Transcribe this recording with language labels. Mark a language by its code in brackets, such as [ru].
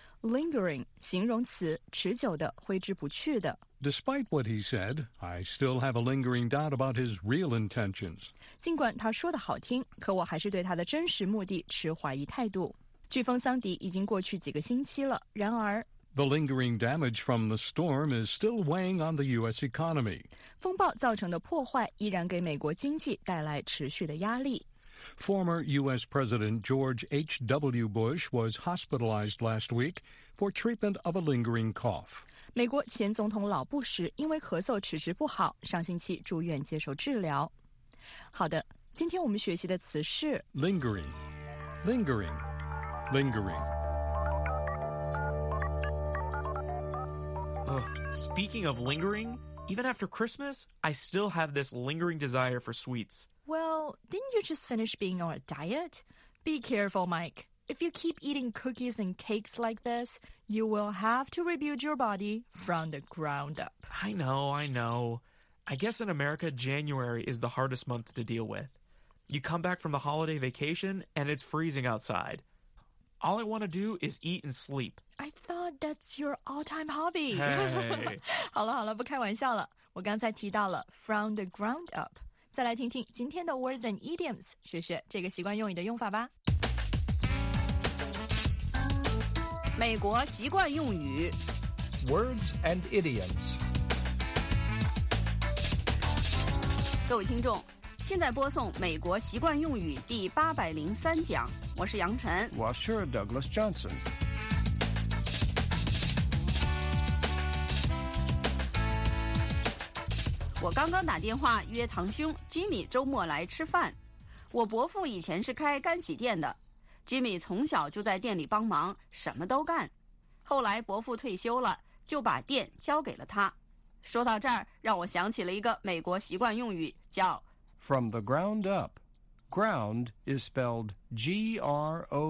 [zh] Lingering, 形容词，持久的，挥之不去的。 [en] Despite what he said, I still have a lingering doubt about his real intentions. [zh] 尽管他说的好听，可我还是对他的真实目的持怀疑态度。飓风桑迪已经过去几个星期了，然而 [en] The lingering damage from the storm is still weighing on the U.S. economy. [zh] 风暴造成的破坏依然给美国经济带来持续的压力。 [en] Former U.S. President George H.W. Bush was hospitalized last week for treatment of a lingering cough. 美国前总统老布什因为咳嗽迟迟不好，上星期住院接受治疗。 [zh] 好的，今天我们学习的词是 [en] lingering, lingering, lingering. Speaking of lingering, even after Christmas, I still have this lingering desire for sweets. Well, didn't you just finish being on a diet? Be careful, Mike. If you keep eating cookies and cakes like this, you will have to rebuild your body from the ground up. I know, I know. I guess in America, January is the hardest month to deal with. You come back from the holiday vacation, and it's freezing outside. All I want to do is eat and sleep. I thought that's your all-time hobby. Hey. [zh] 好了好了，不开玩笑了。我刚才提到了 [en] from the ground up。 [zh] 再来听听今天的 words and idioms， 学学这个习惯用语的用法吧。美国习惯用语 [en] words and idioms。 [zh] 各位听众，现在播送美国习惯用语第803讲，我是杨晨。 [en] Washer Douglas Johnson。 [zh] 我刚刚打电话约堂兄 Jimmy 周末来吃饭。我伯父以前是开干洗店的， Jimmy 从小就在店里帮忙，什么都干。后来伯父退休了，就把店交给了他。说到这儿，让我想起了一个美国习惯用语，叫 [en] From the ground up. Ground is spelled G-R-O-U-N-D.